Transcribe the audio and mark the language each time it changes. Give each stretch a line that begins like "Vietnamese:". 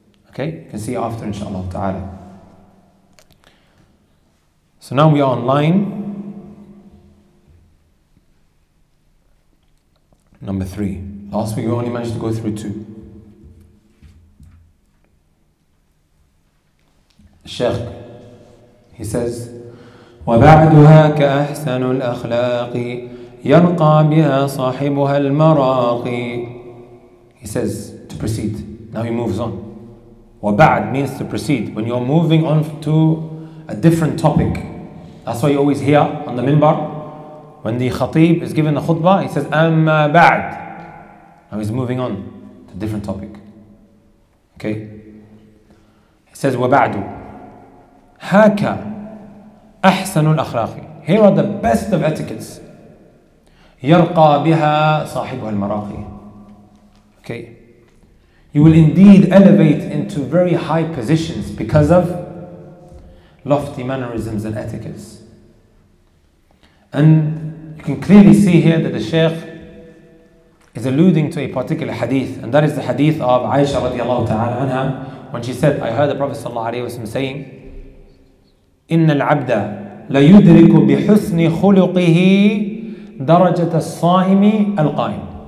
English: Okay? You can see it after, inshaAllah ta'ala. So now we are online. Number three. Last week we only managed to go through two.
Arabic: الشيخ
English: he says
Arabic: وبعدها كأحسن الأخلاق يرقى بها صاحبها المراقي.
English: He says to proceed. Now he moves on. وبعد means to proceed. When you're moving on to a different topic, that's why you always hear on the minbar when the khatib is giving the khutbah, he says
Arabic: أما بعد.
English: Now he's moving on to a different topic. Okay, he says
Arabic: وبعد هاكا أحسن الأخلاق.
English: Here are the best of etiquettes.
Arabic: يرقى بها صاحبها المراقي.
English: Okay. You will indeed elevate into very high positions because of lofty mannerisms and etiquettes. And you can clearly see here that the Shaykh is alluding to a particular hadith, and that is the hadith of Aisha radiallahu ta'ala anha, when she said, I heard the Prophet sallallahu alayhi wa sallam saying,
Arabic: إن العبد لا يدرك بحسن خلقه درجة الصائم القائم.